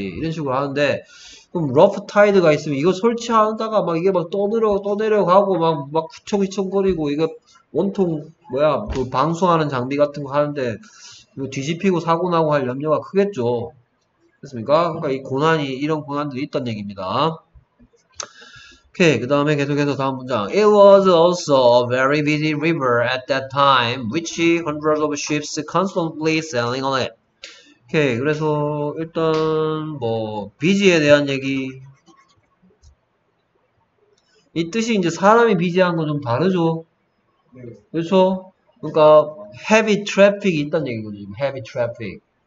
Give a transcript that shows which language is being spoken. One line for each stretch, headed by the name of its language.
Korean: 이런 식으로 하는데, 그럼 러프 타이드가 있으면 이거 설치하다가 막 이게 막 떠내려가고 막 휘청휘청거리고 이거 원통 뭐야 그 방수하는 장비 같은 거 하는데 이거 뒤집히고 사고 나고 할 염려가 크겠죠. 그렇습니까? 그러니까 이 고난이 이런 고난들이 있단 얘기입니다. 오케이, 그 다음에 계속해서 다음 문장.
English: It was also a very busy river at that time, which hundreds of ships constantly sailing on it.
Korean: 오케이, 그래서 일단 뭐 비지에 대한 얘기. 이 뜻이 이제 사람이 비지한 건좀 다르죠. 그렇죠? 그러니까 heavy traffic이 있다는 얘기거든요. heavy traffic.